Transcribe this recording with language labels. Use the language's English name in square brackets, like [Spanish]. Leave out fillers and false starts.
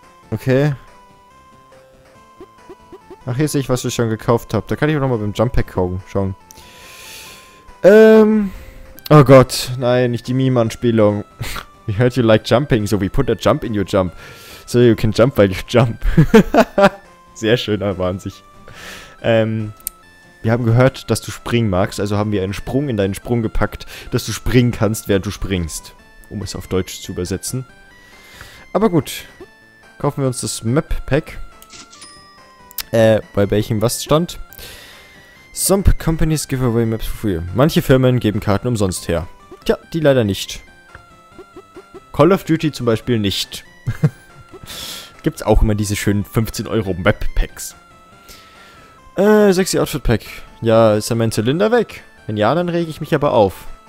[German] Okay. Ach, hier sehe ich, was ich schon gekauft habe. Da kann ich auch nochmal beim Jump Pack gucken. Schauen. Oh Gott. Nein, nicht die Meme-Anspielung. [English] We heard you like jumping, so we put a jump in your jump. So you can jump while you jump. [German] Sehr schön, aber an sich. Wir haben gehört, dass du springen magst. Also haben wir einen Sprung in deinen Sprung gepackt, dass du springen kannst, während du springst. Um es auf Deutsch zu übersetzen. Aber gut. Kaufen wir uns das Map Pack. Bei welchem was stand? [English] Some companies give away maps for free. [German] Manche Firmen geben Karten umsonst her. Tja, die leider nicht. Call of Duty zum Beispiel nicht. Gibt's auch immer diese schönen 15 Euro Map Packs. Sexy Outfit Pack. Ja, ist ja mein Zylinder weg? Wenn ja, dann rege ich mich aber auf.